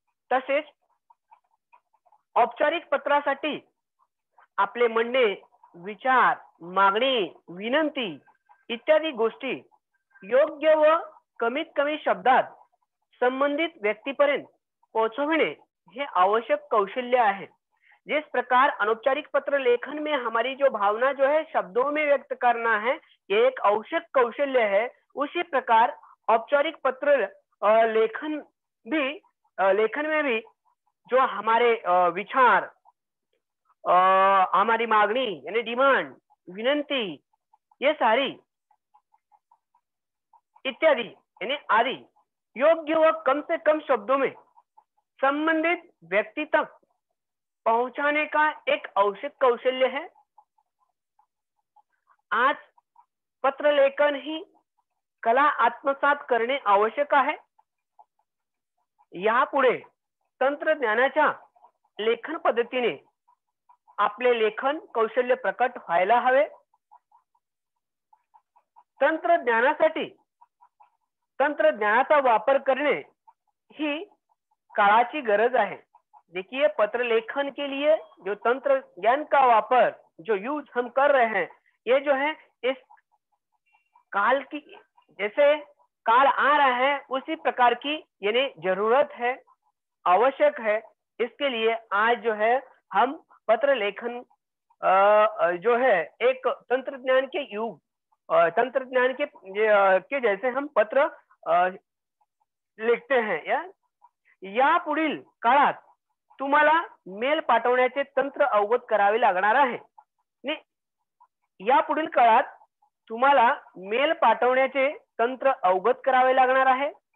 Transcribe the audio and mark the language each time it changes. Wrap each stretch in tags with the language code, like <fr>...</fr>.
<mr>तसेच औपचारिक पत्रासाठी आपले म्हणणे, विचार, मागणी, विनंती इत्यादी गोष्टी योग्य व कमीत कमी शब्दात संबंधित व्यक्तीपर्यंत पोहोचवणे हे आवश्यक कौशल्य आहे।</mr> <hi>जिस प्रकार अनौपचारिक पत्र लेखन में हमारी जो भावना जो है शब्दों में व्यक्त करना है ये एक आवश्यक कौशल्य है, उसी प्रकार औपचारिक पत्र लेखन भी लेखन में भी जो हमारे विचार हमारी मांगनी यानी डिमांड विनंती ये सारी इत्यादि यानी आदि योग्य व कम से कम शब्दों में संबंधित व्यक्ति तक पहुंचाने का एक आवश्यक कौशल्य है।</hi> <mr>आज पत्र लेखन ही कला आत्मसात करने आवश्यक है। यापुढे तंत्रज्ञानाच्या लेखन पद्धतीने आपले लेखन कौशल्य प्रकट व्हायला हवे। तंत्रज्ञानासाठी तंत्रज्ञानाचा वापर करणे ही काळाची गरज आहे।</mr> <hi>देखिए पत्र लेखन के लिए जो तंत्र ज्ञान का वापर जो यूज हम कर रहे हैं ये जो है इस काल की जैसे काल आ रहा है उसी प्रकार की यानी जरूरत है आवश्यक है। इसके लिए आज जो है हम पत्र लेखन जो है एक तंत्र ज्ञान के युग तंत्र ज्ञान के जैसे हम पत्र लिखते हैं या</hi> <mr>पुढील काळात तुम्हाला मेल पाठवण्याचे तंत्र अवगत करावे लागणार आहे। या पुढील काळात तुम्हाला मेल पाठवण्याचे तंत्र अवगत करावे लागणार आहे।</mr>